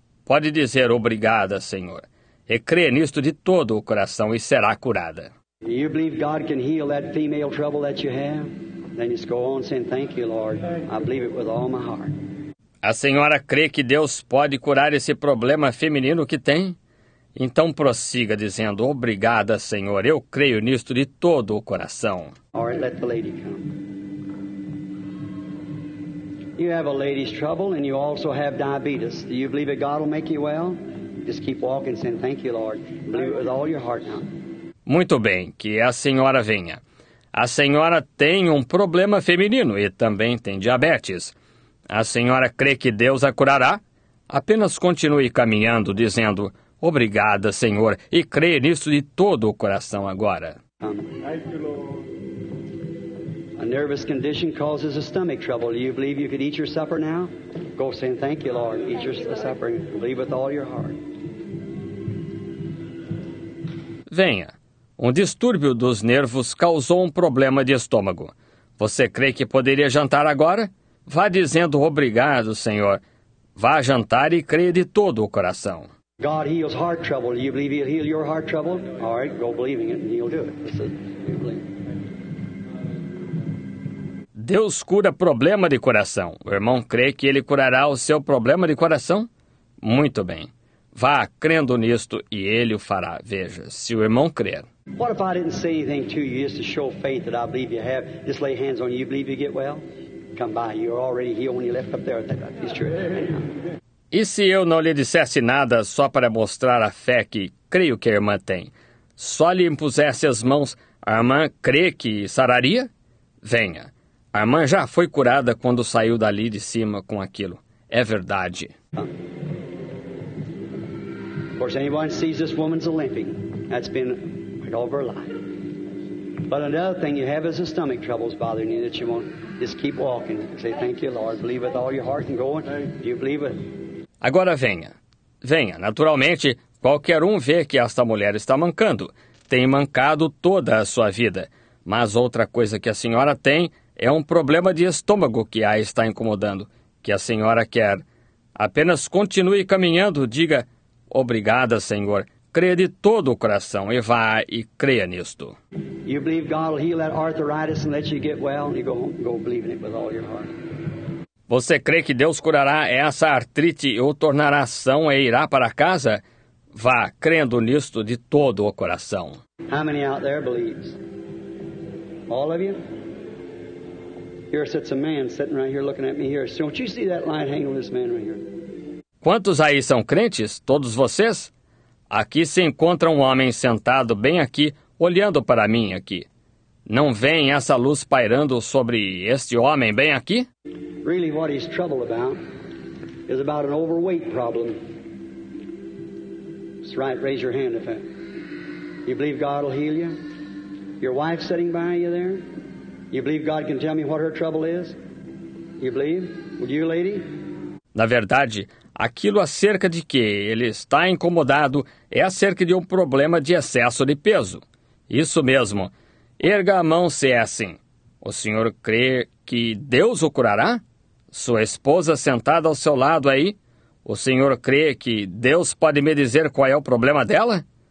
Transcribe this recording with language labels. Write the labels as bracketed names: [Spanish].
[Portuguese] Pode dizer obrigada, Senhor. E crê nisto de todo o coração e será curada. [English] You believe God can heal that female trouble that you have? Then just go on saying thank you, Lord. I believe it with all my heart. [Portuguese] A senhora crê que Deus pode curar esse problema feminino que tem? Então prossiga dizendo, obrigada, Senhor. Eu creio nisto de todo o coração. [English] All right, let the lady come. You have a lady's trouble and you also have diabetes. Do you believe that God will make you well? Just keep walking and saying thank you, Lord. Believe it with all your heart now. [Portuguese] Muito bem, que a senhora venha. A senhora tem um problema feminino e também tem diabetes. A senhora crê que Deus a curará? Apenas continue caminhando, dizendo, obrigada, Senhor, e crê nisso de todo o coração agora. [English] A nervous condition causes a stomach trouble. Do you believe you could eat your supper now? Go saying thank you, Lord. Eat your supper and believe with all your heart. [Portuguese] Venha. Um distúrbio dos nervos causou um problema de estômago. Você crê que poderia jantar agora? Vá dizendo obrigado, Senhor. Vá jantar e creia de todo o coração. [English] God heals heart trouble. You believe he'll heal your heart trouble? All right, go believing it and he'll do it. [Portuguese] Deus cura problema de coração. O irmão crê que ele curará o seu problema de coração? Muito bem. Vá crendo nisto e ele o fará. Veja, se o irmão crer. [English] What if I didn't say anything to you just to show faith that I believe you have? Just lay hands on you. You believe you get well? Come by. You're already healed when you left up there. That's true. [Portuguese] E se eu não lhe dissesse nada só para mostrar a fé que creio que a irmã tem? Só lhe impusesse as mãos, a irmã crê que sararia? Venha. A irmã já foi curada quando saiu dali de cima com aquilo. É verdade. [English] Of course, anyone sees this woman's limping. That's been all of her life. But another thing you have is the stomach troubles bothering you that you won't just keep walking. Say thank you, Lord. Believe with all your heart and go on. Do you believe it? [Portuguese] Agora venha. Venha. Naturalmente, qualquer um vê que esta mulher está mancando. Tem mancado toda a sua vida. Mas outra coisa que a senhora tem é um problema de estômago que a está incomodando, que a senhora quer. Apenas continue caminhando, diga, obrigada, Senhor. Creia de todo o coração e vá e creia nisto. [English] You believe God will heal that arthritis and let you get well, and you go home, go believing it with all your heart. [Portuguese] Você crê que Deus curará essa artrite e o tornará são e irá para casa? Vá crendo nisto de todo o coração. [English] How many out there believes? All of you? Here sits a man sitting right here looking at me here. So don't you see that line hanging on this man right here? [Portuguese] Quantos aí são crentes? Todos vocês? Aqui se encontra um homem sentado bem aqui, olhando para mim aqui. Não vem essa luz pairando sobre este homem bem aqui? [English] Really what he's troubled about is about an overweight problem. It's right, raise your hand if that. You believe God will heal you? Your wife sitting by you there? You believe God can tell me what her trouble is? You believe? Would you, lady? [Portuguese] Na verdade, aquilo acerca de que ele está incomodado é acerca de um problema de excesso de peso. Isso mesmo. Erga a mão se é assim. O senhor crê que Deus o curará? Sua esposa sentada ao seu lado aí? O senhor crê que Deus pode me dizer qual é o problema dela?